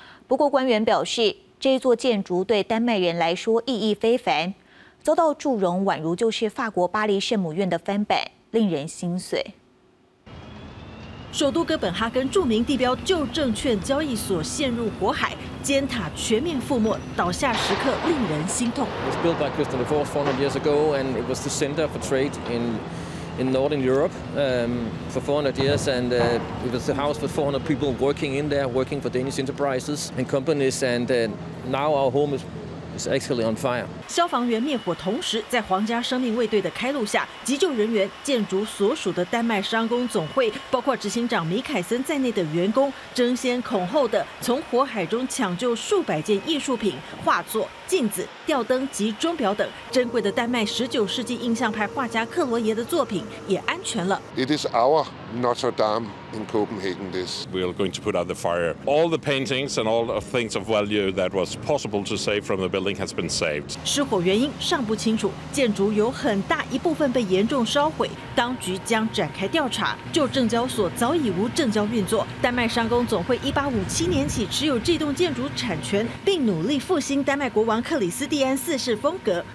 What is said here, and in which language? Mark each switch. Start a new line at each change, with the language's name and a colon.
Chinese: 不过官员表示，这座建筑对丹麦人来说意义非凡，遭到祝融宛如就是法国巴黎圣母院的翻版，令人心碎。首都哥本哈根著名地标旧证券交易所陷入火海，尖塔全面覆没，倒下时刻令人心痛。
English: It was built by Christian IV 400 years ago, and it was the center for trade in northern Europe for 400 years, and it was the house for 400 people working in there, working for Danish enterprises and companies, and now our home is actually on fire.
Chinese: 消防员灭火，同时在皇家生命卫队的开路下，急救人员、建筑所属的丹麦商工总会，包括执行长米凯森在内的员工，争先恐后的从火海中抢救数百件艺术品、画作、镜子、吊灯及钟表等，珍贵的丹麦19世纪印象派画家克罗耶的作品也安全了。
English: It is our Notre Dame in Copenhagen. This we are going to put out the fire. All the paintings and all the things of value that was possible to save from the building has been saved.
Chinese: 失火原因尚不清楚，建筑有很大一部分被严重烧毁，当局将展开调查。旧证交所早已无证交运作，丹麦商工总会1857年起持有这栋建筑产权，并努力复兴丹麦国王克里斯蒂安四世风格。